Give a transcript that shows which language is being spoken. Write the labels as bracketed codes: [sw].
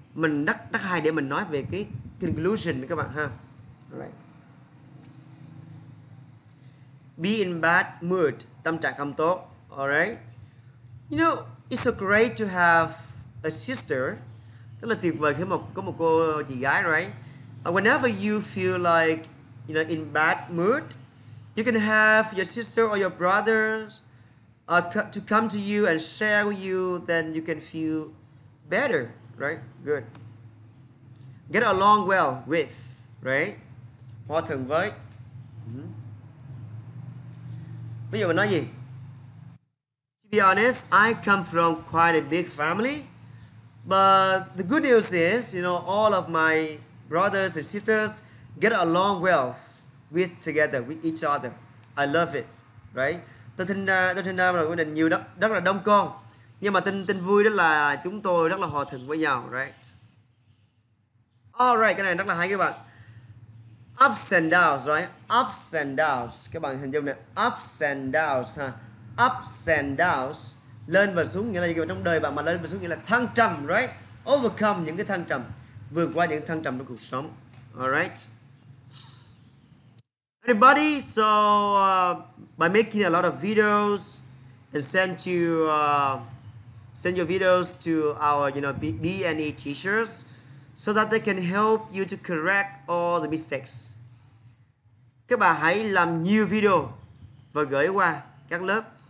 [vi] Mình rất rất hay để mình nói về cái conclusion các bạn ha. Alright. [en] Be in bad mood, [vi] tâm trạng không tốt. [en] Alright. It's so great to have a sister. [vi] Rất là tuyệt vời khi mà có một cô chị gái, right? [en] Whenever you feel like, in bad mood, you can have your sister or your brothers to come to you and share with you, then you can feel better, right? Good. Get along well with, right? [vi] Hòa thuận với. Bây giờ mình nói gì? [en] To be honest, I come from quite a big family. But the good news is, you know, all of my brothers and sisters get along well with together, with each other. I love it, right? [vi] Tôi sinh ra là mình nhiều rất là đông con. Nhưng mà tin vui đó là chúng tôi rất là hòa thuận với nhau, right? All right, cái này rất là hay các bạn. [en] Ups and downs, [vi] right? [en] Ups and downs. [vi] Các bạn hình dung này, [en] ups and downs, ha. Ups and downs. [vi] Lên và xuống nghĩa là gì? Trong đời bạn mà lên và xuống nghĩa là thăng trầm, right? Overcome những cái thăng trầm, vượt qua những thăng trầm trong cuộc sống. [en] All right. Everybody, so by making a lot of videos and send your videos to our, you know, BNE teachers, so that they can help you to correct all the mistakes. [vi] Các bạn hãy làm nhiều video và gửi qua các lớp.